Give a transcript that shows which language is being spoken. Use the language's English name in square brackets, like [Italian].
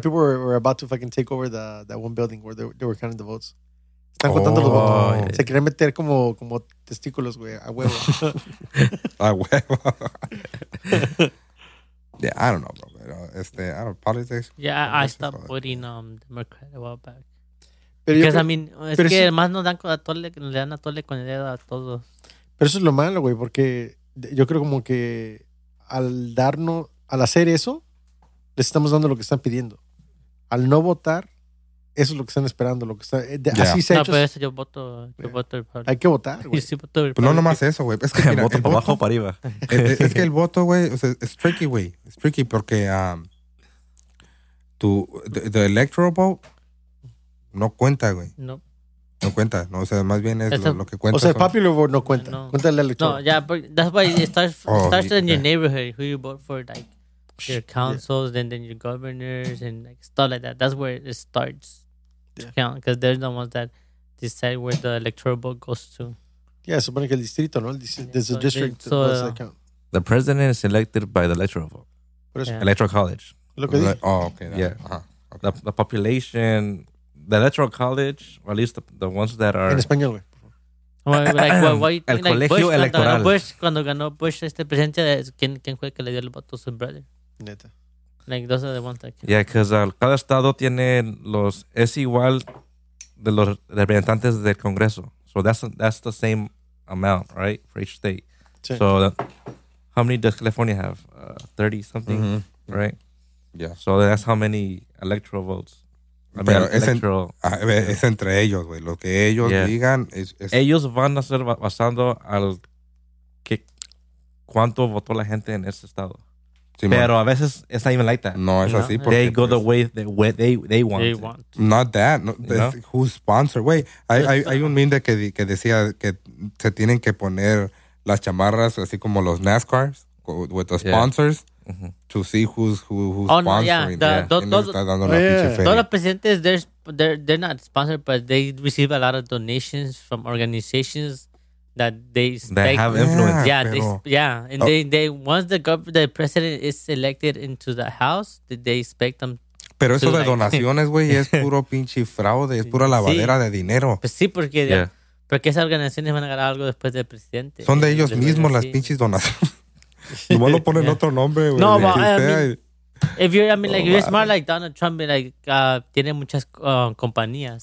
[English] People were about to fucking take over that one building where they were counting the votes. [Spanish] Están contando los votos. Yeah. Se quieren meter como testículos, güey, a huevo. A huevo. [English] Yeah, I don't know, bro. Pero I don't know, politics. Yeah, I stopped voting Democrat a while back. [Spanish] Además no dan con atole, le dan atole con el dedo a todos. Pero eso es lo malo, güey, porque yo creo como que al hacer eso, les estamos dando lo que están pidiendo. Al no votar, eso es lo que están esperando. Lo que está, yeah. Así se no, ha hecho. No, pero eso yo voto el party. Hay que votar, güey. Sí, voto pues no nomás eso, güey. Es que mira, voto para abajo o para arriba. Es que el voto, güey, o sea, es tricky, güey. Es tricky porque [English] the electoral vote [Spanish] no cuenta, güey. No. No cuenta, no, o sea, más bien es lo que cuenta. O sea, [English] popular vote [Spanish] no cuenta. No. Cuenta el electoral. No, ya, [English] yeah, that's why it starts in your neighborhood, who you vote for, like your councils, yeah. then your governors, and like stuff like that. That's where it starts to count, because they're the ones that decide where the electoral vote goes to. Yeah, [Spanish] supone que el distrito, ¿no? [English] There's a district that does that count. The president is elected by the electoral vote. What is it? Electoral college. The population. The electoral college, or at least the ones that are... [Spanish] En español, güey. El colegio electoral. Cuando ganó Bush presidencia, ¿quién fue que le dio el voto a su brother? Neta. [English] Like, those are the ones that... Yeah, because [Spanish] cada estado tiene los... Es igual de los representantes del Congreso. [English] So that's the same amount, right? For each state. [Spanish] Sí. [English] So how many does California have? 30-something, mm-hmm. Right? Yeah. So that's how many electoral votes. [Spanish] Pero es entre ellos, güey. Lo que ellos digan es... Ellos van a ser basando al que cuánto votó la gente en ese estado. Sí, pero a veces es [English] not even like that. [Spanish] No, es así. [English] They go the way they want. Not that. No, who's sponsored, güey. [Spanish] Hay un meme que decía que se tienen que poner las chamarras así como los NASCARs [English] with the sponsors to see who's sponsoring. [Spanish] Todos los presidentes, [English] they're not sponsored, but they receive a lot of donations from organizations that they expect. That have influence. Once the president is elected into the house, they expect them. [Spanish] Pero eso de donaciones, güey, es puro pinche fraude, es pura lavadera de dinero. Pues sí, porque porque esas organizaciones van a ganar algo después del presidente. Son de ellos mismos las pinches donaciones. Igual lo ponen otro nombre, güey. [English] No, if you're smart like Donald Trump, [Spanish] tiene muchas compañías.